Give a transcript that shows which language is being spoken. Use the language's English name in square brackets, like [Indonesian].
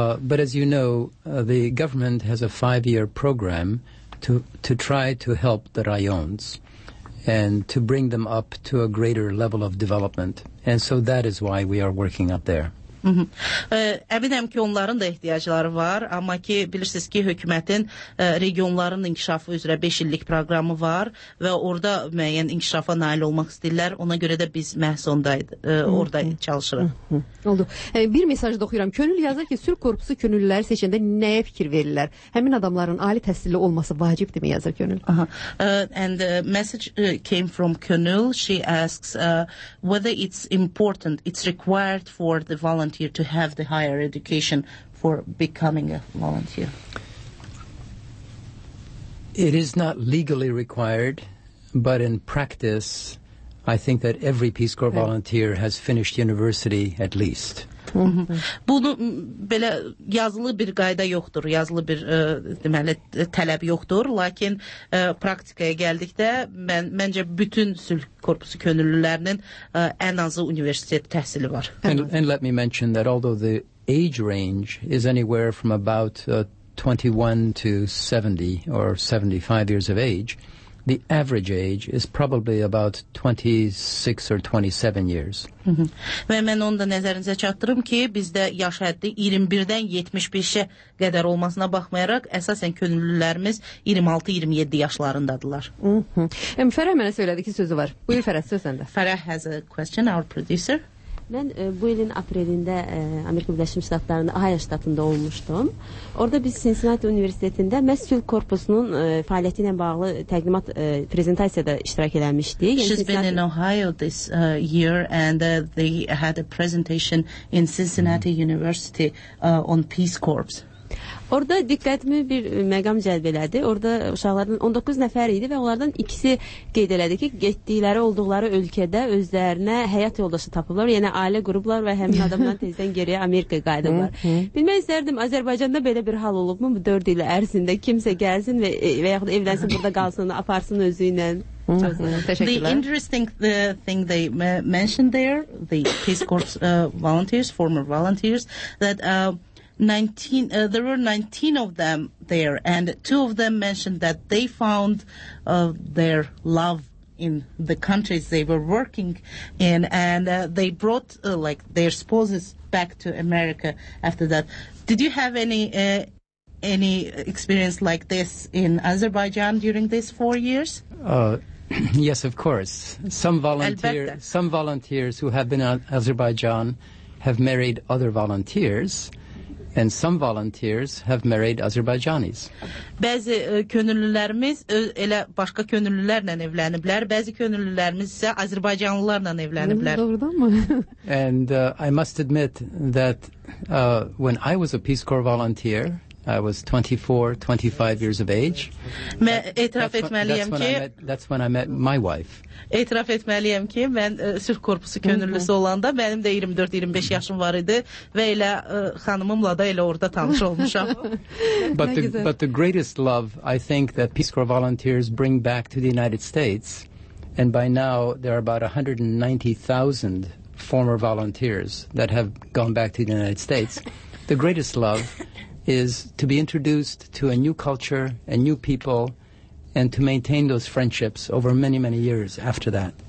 [English] But as you know, the government has a 5-year program to try to help the rayons and to bring them up to a greater level of development. And so that is why we are working up there. [Azerbaijani] Əminəm ki, onların da ehtiyacları var, amma ki, bilirsiniz ki, hökumətin regionların inkişafı üzrə 5 illik proqramı var və orada müəyyən inkişafa nail olmaq istəyirlər. Ona görə də biz məhz orada çalışırıq. Oldu. Bir mesaj da oxuyuram. Könül yazır ki, sülh korpusu könüllüləri seçəndə nəyə fikir verirlər? Həmin adamların ali təhsilli olması vacibdir mi, yazır Könül? [English] And the message came from Könül. She asks whether it's important, it's required for the volunteer to have the higher education for becoming a volunteer? It is not legally required, but in practice, I think that every Peace Corps volunteer has finished university at least. [Azerbaijani] Bunu belə yazılı bir qayda yoxdur, yazılı bir deməli tələb yoxdur, lakin praktikaya gəldikdə məncə bütün sülh korpusu könüllülərinin ən azı universitet təhsili var. [English] And let me mention that although the age range is anywhere from about 21 to 70 or 75 years of age, the average age is probably about 26 or 27 years. [Azerbaijani] Və mən onu da nəzərinizə çatdırım ki, bizdə yaş həddi 21-dən 75-ə qədər olmasına baxmayaraq, əsasən könüllülərimiz 26-27 yaşlarındadırlar. Fərəh mənə söylədi ki, sözü var. Buyur Fərəh, söz səndə. [English] Fərəh has a question, our producer. [Azerbaijani] Mən bu ilin aprelində Amerika Birləşmiş Ştatlarında, Ohio ştatında olmuşdum. Orada biz Cincinnati Universitetində məhz sülh korpusunun fəaliyyəti ilə bağlı təqdimat prezentasiyada iştirak eləmişdik. [English] Yəni, She's been in Ohio this year and they had a presentation in Cincinnati University on Peace Corps. [Azerbaijani] Orada diqqətimi bir məqam cəlb elədi. Orada uşaqlardan 19 nəfər idi və onlardan ikisi qeyd elədi ki, getdikləri, olduqları ölkədə özlərinə həyat yoldaşı tapıblar, yəni ailə qurublar və həmin adamdan tezdən geriyə Amerika qayıdıblar. Bilmək istərdim, Azərbaycanda belə bir hal olubmu bu 4 il ərzində kimsə gəlsin və yaxud evlənsin, burada qalsın, aparsın özü ilə. [English] The interesting thing they mentioned there, the Peace Corps volunteers, former volunteers, that 19 there were 19 of them there, and two of them mentioned that they found their love in the countries they were working in, and they brought like their spouses back to America after that. Did you have any experience like this in Azerbaijan during these 4 years? Yes, of course. Some volunteers who have been in Azerbaijan have married other volunteers. And some volunteers have married Azerbaijanis. [Azerbaijani] Bəzi könüllülərimiz elə başqa könüllülərlə evləniblər, bəzi könüllülərimiz isə Azərbaycanlılarla evləniblər. Doğrudanmı? [English] And I must admit that when I was a Peace Corps volunteer I was 24, 25 years of age. That's when I met my wife. [Azerbaijani] Etiraf etməliyəm ki, mən sülh korpusu könüllüsü olanda mənim də 24-25 yaşım var idi və elə xanımımla da elə orada tanış olmuşam. [English] But the greatest love I think that Peace Corps volunteers bring back to the United States, and by now there are about 190,000 former volunteers that have gone back to the United States. The greatest love is to be introduced to a new culture and new people and to maintain those friendships over many, many years after that.